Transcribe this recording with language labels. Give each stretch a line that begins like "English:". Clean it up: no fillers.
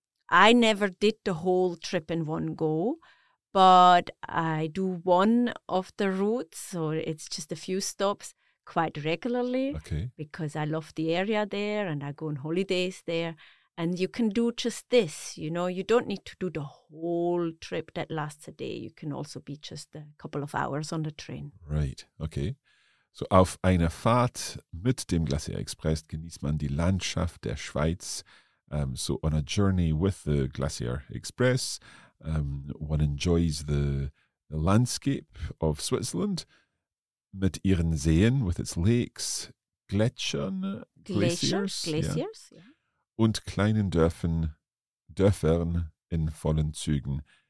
English: I never did the whole trip in one go, but I do one of the routes, so it's just a few stops, quite regularly. Okay. Because I love the area there and I go on holidays there. And you can do just this, you know. You don't need to do the whole trip that lasts a day. You can also be just a couple of hours on the train. Right, okay.
German: So, auf einer Fahrt mit dem Glacier Express genießt man die Landschaft der Schweiz.
English: So, on a journey with the Glacier Express, one enjoys the landscape of Switzerland
German: mit ihren Seen,
English: with its lakes, glaciers. Yeah.
German: Und kleinen Dörfern in vollen Zügen.